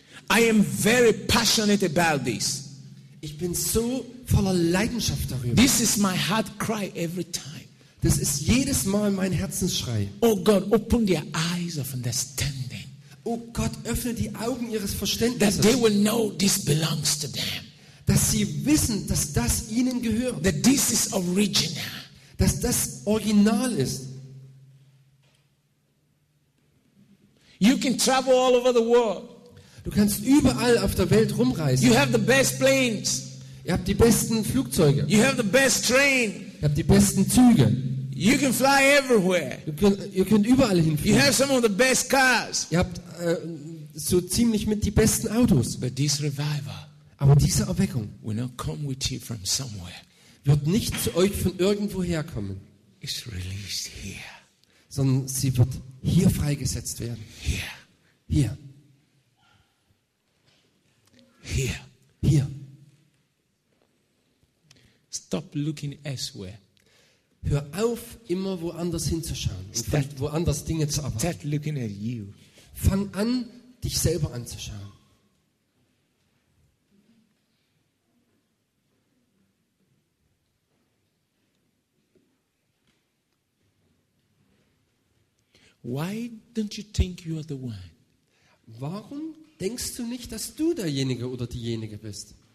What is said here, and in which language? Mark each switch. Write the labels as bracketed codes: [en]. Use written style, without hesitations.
[en] I am very passionate about this. [de] Ich bin so voller Leidenschaft darüber. [en] This is my heart cry every time. [de] Das ist jedes Mal mein Herzensschrei. [en] Oh God, open their eyes of understanding. [de] Oh Gott, öffne die Augen ihres Verständnisses. [en] That they will know this belongs to them. [de] Dass sie wissen, dass das ihnen gehört. [en] That this is original. [de] Dass das Original ist. [en] You can travel all over the world. [de] Du kannst überall auf der Welt rumreisen. [en] You have the best planes. [de] Ihr habt die besten Flugzeuge. [en] You have the best train. [de] Ihr habt die besten Züge. [en] You can fly everywhere. [de] Ihr könnt überall hinfliegen. [en] You have some of the best cars. [de] Ihr habt so ziemlich mit die besten Autos. [en] But this revival, [de] aber diese Erweckung, [en] will not come with you from somewhere. [de] Wird nicht zu euch von irgendwo herkommen. [en] It's released here. [de] Sondern sie wird hier freigesetzt werden. [en] Here. [de] Hier. [en] Here. Here. Stop looking elsewhere. [de] Hör auf, immer woanders hinzuschauen und [en] start, [de] woanders Dinge zu erwarten. [en] Start looking at you. [de] Fang an, dich selber anzuschauen. [en] Why don't you think you are the one? [de] Warum denkst du nicht, dass du derjenige oder diejenige bist?